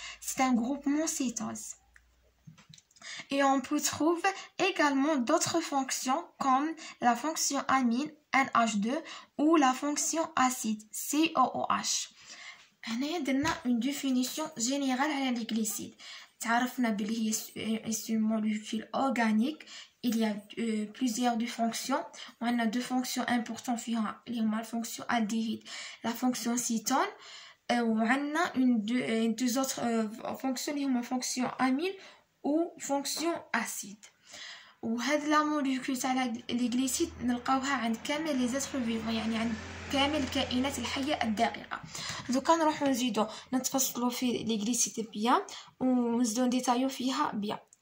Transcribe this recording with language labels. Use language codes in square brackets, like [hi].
[fr] C'est un groupement cétose. Et on peut trouver également d'autres fonctions comme la fonction amine, NH2, ou la fonction acide, COOH. On a donné une définition générale à les glycides. [ar] تعرفنا بلي هي اسم مولوكيول اورغانيك [fr] il y a plusieurs de fonctions. On a deux fonctions importantes [ar] فيها اللي هما الفونكسيون [fr] aldéhyde la fonction cétone [ar] وعندنا [fr] une deux autres fonctions [ar] اللي هما [fr] fonction amine ou fonction acide. [ar] وهاد لا مولوكيول تاع لي غليسيد نلقاوها عند كامل لي زاتر فيفون يعني عند كامل الكائنات الحية الدائرة. دوكا نروحو نزيدو نتفصلو في لي غليسيد بيان ونزيدو نديتايو فيها بيان.